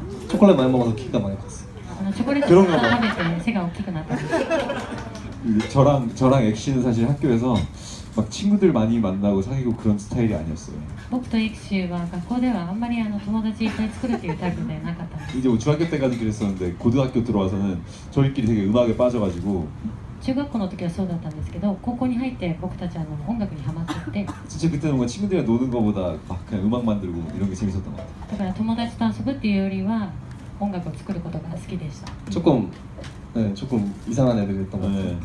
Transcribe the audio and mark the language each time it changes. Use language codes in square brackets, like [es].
[ko] チョコレート많이먹어서키가많이컸어요。 [ja] チョコレートを食べて背が大きくなった。 [ko] 저랑엑시는사실학교에서막친구들많이만나고사귀고그런스타일이아니었어요。 [ja] 僕と엑시は学校ではあんまり友達いっぱい作るっていうタイプではなかった。 [ko] 이제중학교때까지그랬었는데고등학교들어와서는저희끼리되게음악에빠져가지고 [ja] 中学校の時はそうだったんですけど高校に入って僕たち音楽にハマってて [ko] 진짜그때는뭔가친구들이랑노는것보다막그냥음악만들고이런게재밌었던것같아요。 [ja] だから友達と遊ぶっていうよりは音楽を作ることが好きでした。ちょっと、ちょっと、いさがないと思って